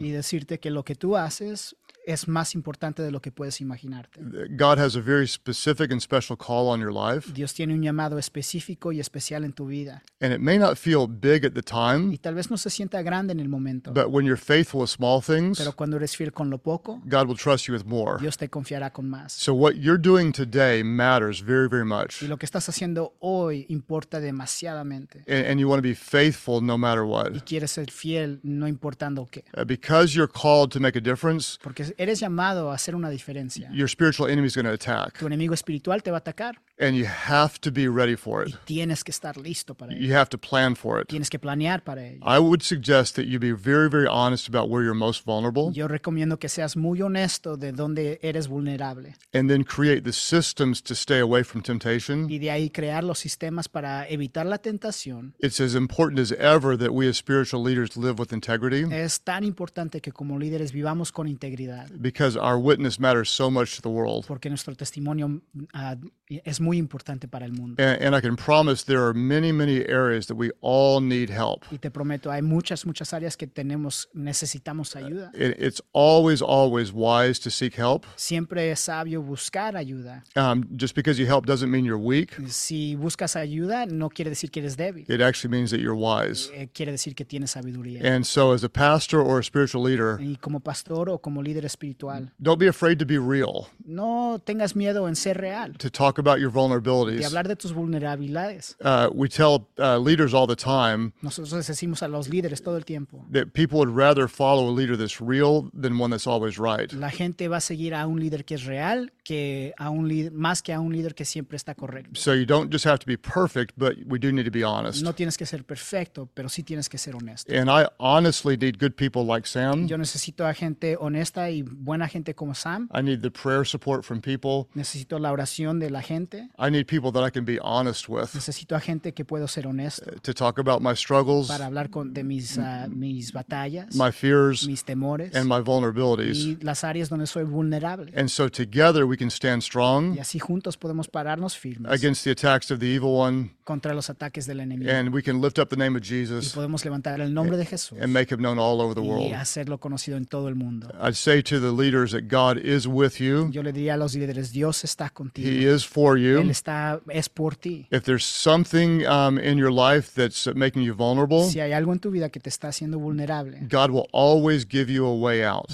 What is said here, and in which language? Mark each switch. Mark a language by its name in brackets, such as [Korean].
[Spanish] Y decirte que lo que tú haces es más importante de lo que puedes imaginarte. [English] God has a very specific and special call on your life. [Spanish] Dios tiene un llamado específico y especial en tu vida. [English] And it may not feel big at the time. [Spanish] Y tal vez no se sienta grande en el momento. [English] But when you're faithful with small things, [Spanish] pero cuando eres fiel con lo poco, [English] God will trust you with more. [Spanish] Dios te confiará con más. [English] So what you're doing today matters very, very much. [Spanish] Y lo que estás haciendo hoy importa demasiadamente. [English] And you want to be faithful no matter what. [Spanish] Y quieres ser fiel no importando qué. [English] Because you're called to make a difference. [Spanish] Porque eres llamado a hacer una diferencia. [English] Your spiritual enemy is going to attack. [Spanish] Tu enemigo espiritual te va a atacar. [English] And you have to be ready for it. [Spanish] Y tienes que estar listo para ello. [English] You have to plan for it. [Spanish] Tienes que planear para ello. [English] I would suggest that you be very, very honest about where you're most vulnerable. [Spanish] Yo recomiendo que seas muy honesto de dónde eres vulnerable. [English] And then create the systems to stay away from temptation. [Spanish] Y de ahí crear los sistemas para evitar la tentación. [English] It's as important as ever that we as spiritual leaders live with integrity. [Spanish] Es tan importante que como líderes vivamos con integridad. [English] Because our witness matters so much to the world. [Spanish] Porque nuestro testimonio es muy importante para el mundo. [English] And I can promise there are many, many areas that we all need help. [Spanish] Y te prometo, hay muchas, muchas áreas que tenemos, necesitamos ayuda. [English] It's always, always wise to seek help. [Spanish] Siempre es sabio buscar ayuda. [English] Just because you help doesn't mean you're weak. [Spanish] Si buscas ayuda, no quiere decir que eres débil. [English] It actually means that you're wise. [Spanish] Quiere decir que tienes sabiduría. [English] And so as a pastor or a spiritual leader, [Spanish] y como pastor o como líder espiritual, [English] don't be afraid to be real. [Spanish] No tengas miedo en ser real. [English] To talk about your vulnerabilities. [Spanish] De hablar de tus vulnerabilidades. [English] We tell leaders all the time. [Spanish] Nosotros les decimos a los líderes todo el tiempo. [English] That people would rather follow a leader that's real than one that's always right. [Spanish] La gente va a seguir a un líder que es real que a un líder más que a un líder que siempre está correcto. [English] So you don't just have to be perfect, but we do need to be honest. [Spanish] No tienes que ser perfecto, pero sí tienes que ser honesto. [English] And I honestly need good people like Sam. [Spanish] Yo necesito a gente honesta y buena gente como Sam. [English] I need the prayer support from people. [Spanish] Necesito la oración de la gente. [English] I need people that I can be honest with. [Spanish] Necesito a gente que puedo ser honesto. [English] To talk about my struggles. [Spanish] Para hablar de mis mis batallas. [English] My fears. [Spanish] Mis temores. [English] And my vulnerabilities. [Spanish] Y las áreas donde soy vulnerable. [English] And so together we can stand strong. [Spanish] Y así juntos podemos pararnos firmes. [English] Against the attacks of the evil one. [Spanish] Contra los ataques del enemigo. [English] And we can lift up the name of Jesus. [Spanish] Y podemos levantar el nombre de Jesús. [English] And make him known all over the world. [Spanish] Y hacerlo conocido en todo el mundo. [English] I'd say to the leaders that God is with you. [Spanish] Yo le diría a los líderes, Dios está contigo. [English] He is for you. [Spanish] Él está, es por ti. [English] If there's something in your life that's making you vulnerable, [Spanish] si hay algo en tu vida que te está haciendo vulnerable, [English] God will always give you a way out.